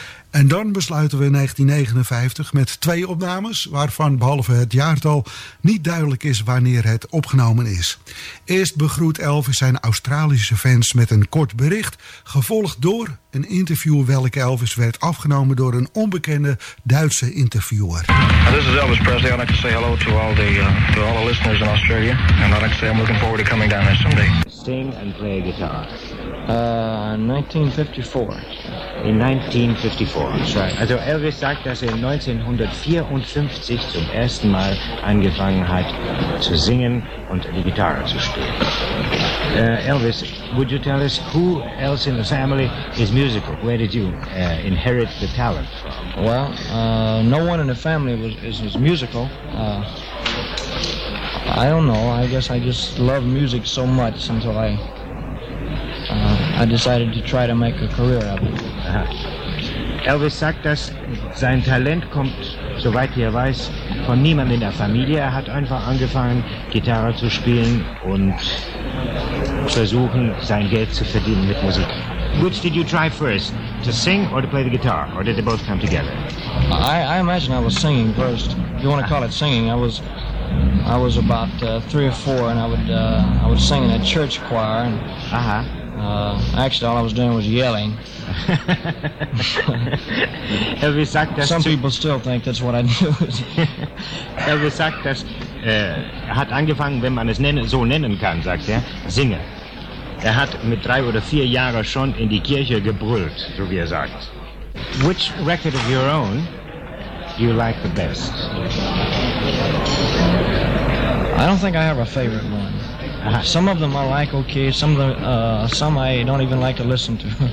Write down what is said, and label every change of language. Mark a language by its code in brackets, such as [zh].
[nl] En dan besluiten we 1959 met twee opnames, waarvan behalve het jaartal niet duidelijk is wanneer het opgenomen is. Eerst begroet Elvis zijn Australische fans met een kort bericht, gevolgd door een interview welke Elvis werd afgenomen door een onbekende Duitse interviewer. [en] This is Elvis Presley. I'd like to say hello to all the listeners in Australia. And I'd like to say I'm looking forward to coming down there someday. Sing and play guitar. 1954. [de] Sorry. Also Elvis sagt, dass er 1954 zum ersten Mal angefangen hat zu singen und die Gitarre zu spielen. [en] Elvis, would you tell us who else in the family is musical? Where did you inherit the talent from? Well, no one in the family is musical. I don't know. I guess I just love music so much until I decided to try to make a career out of it. [de] Elvis sagt, dass sein Talent kommt, soweit er weiß, von niemand in der Familie. Er hat einfach angefangen, Gitarre zu spielen und versuchen, sein Geld zu verdienen mit Musik. [en] Which did you try first, to sing or to play the guitar, or did they both come together? I imagine I was singing first. If you want to call it singing, I was about three or four, and I would sing in a church choir. And, uh-huh. Actually, all I was doing was yelling. [de] Elvis sagt, dass [en] some people still think that's what I do. [de] Elvis sagt, dass hat angefangen, wenn man es so nennen kann, sagt er, singen. Er hat mit drei oder vier Jahren schon in die Kirche gebrüllt, so wie er sagt. [en] Which record of your own do you like the best? I don't think I have a favorite one. Uh-huh. Some of them I like okay, some I don't even like to listen to.